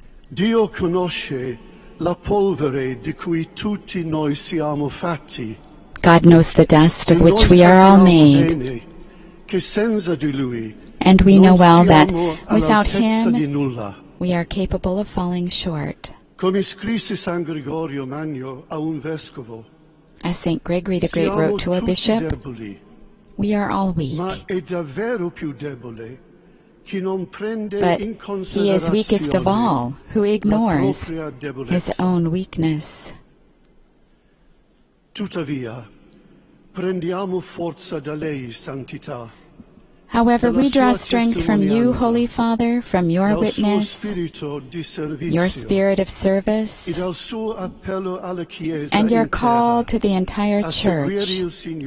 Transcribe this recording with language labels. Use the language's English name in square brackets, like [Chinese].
[Italian] Dio conosce la polvere di cui tutti noi siamo fatti. [English] God knows the dust of which we are all made. And we know well that without Him, we are capable of falling short. [Italian] Come scrisse San Gregorio Magno a un vescovo. [English] As St. Gregory the Great wrote to a bishop, [Italian] deboli, [English] we are all weak. [Italian] Ma è davvero più debole chi non prende [English] but in he is weakest of all who ignores his own weakness. [Italian] Tuttavia, prendiamo forza da lei, santità. [English] However, we draw strength from you, Holy Father, from your witness, your spirit of service, and your call to the entire church